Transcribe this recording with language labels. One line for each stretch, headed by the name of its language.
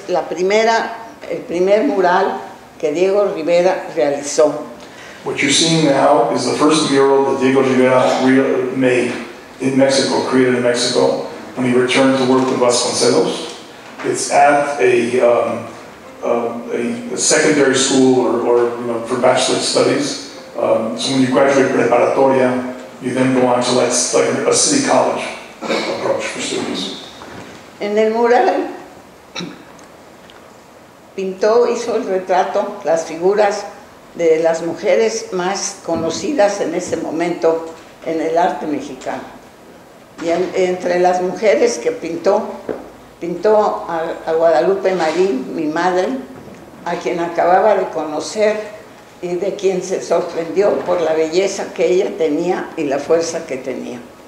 Spanish: Es el primer mural que Diego Rivera realizó.
English: What you're seeing now is the first mural that Diego Rivera made in Mexico, created in Mexico, when he returned to work with Vasconcelos. It's at a secondary school or you know, for bachelor studies. So when you graduate preparatoria, you then go on to like a city college approach for students.
Spanish: En el mural pintó, hizo el retrato, las figuras de las mujeres más conocidas en ese momento en el arte mexicano. Y entre las mujeres que pintó a Guadalupe Marín, mi madre, a quien acababa de conocer y de quien se sorprendió por la belleza que ella tenía y la fuerza que tenía.